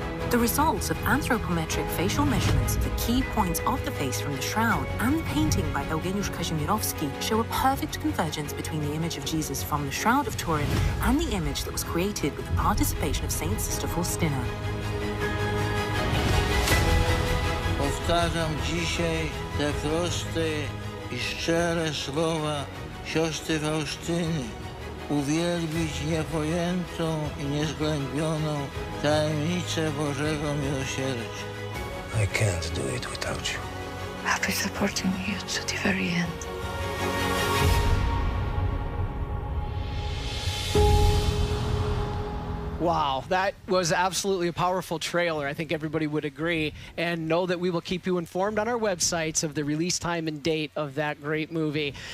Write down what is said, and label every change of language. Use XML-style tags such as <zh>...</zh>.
<en>The results of anthropometric facial measurements of the key points of the face from the shroud and the painting by Eugeniusz Kazimierowski show a perfect convergence between the image of Jesus from the Shroud of Turin and the image that was created with the participation of Saint Sister Faustina.</en> <pl>Powtarzam dzisiaj te proste i szczere słowa Siostry Faustyny, uwielbić niepojętą i niezgłębioną tajemnicę Bożego miłosierdzia.</pl> <en>I can't do it without you. I'll be supporting you to the very end. Wow, that was absolutely a powerful trailer. I think everybody would agree. And know that we will keep you informed on our websites of the release time and date of that great movie.</en>